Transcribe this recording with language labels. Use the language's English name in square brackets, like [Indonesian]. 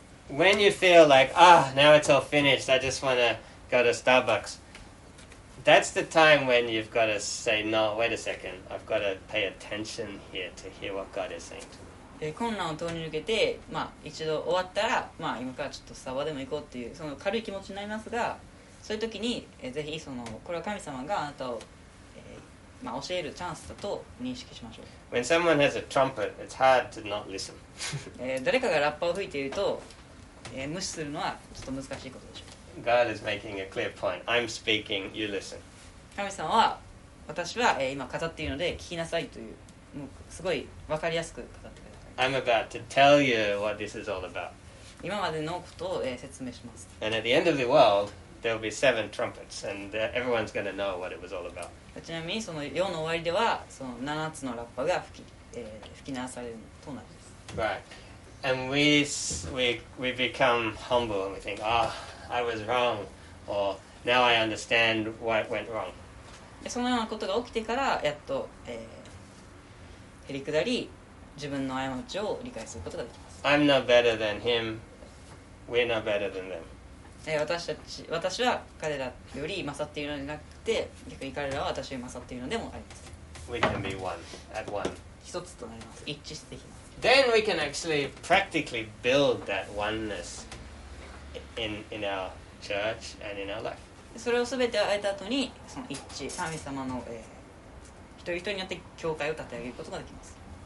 [English] When you feel like, ah, now it's all finished, I just want to go to Starbucks. That's the time when you've got to say, no, wait a second, I've got to pay attention here to hear what God is saying to me. [Japanese] 困難を通り抜けて、まあ、一度終わったら、まあ、今からちょっとスタバでも行こうっていうその軽い気持ちになりますが、そういう時に、ぜひそのこれは神様があなたを、まあ、教えるチャンスだと認識しましょう。 [English] When someone has a trumpet, it's hard to not listen. [Japanese] 誰かがラッパを吹いていると、無視するのはちょっと難しいことでしょう。 [English] God is making a clear point. I'm speaking, you listen. [Japanese] 神様は私は今語っているので聞きなさいというもうすごい分かりやすく語ってください。 [English] I'm about to tell you what this is all about. [Japanese] 今までのことを説明します。 [English] And at the end of the world, there will be seven trumpets, and everyone's going to know what it was all about. [Japanese] ちなみにその世の終わりではその七つのラッパが吹き鳴らされるとなります。 [English] Right. And we become humble and we think, ah. I was wrong, or now I understand what went wrong. [Japanese] そのようなことが起きてからやっと、へりくだり自分の過ちを理解することができます。 [English] I'm no better than him. We're no better than them. [Japanese] 私は彼らより勝っているのではなくて、逆に彼らは私より勝っているのでもあります。 [English] We can be one at one. [Japanese] 一つとなります。一致していきます。 [English] Then we can actually practically build that oneness. In our church and in our life. [Japanese] それを全て会えた後にその一致神様の、一人一人によって教会を立て上げることができます。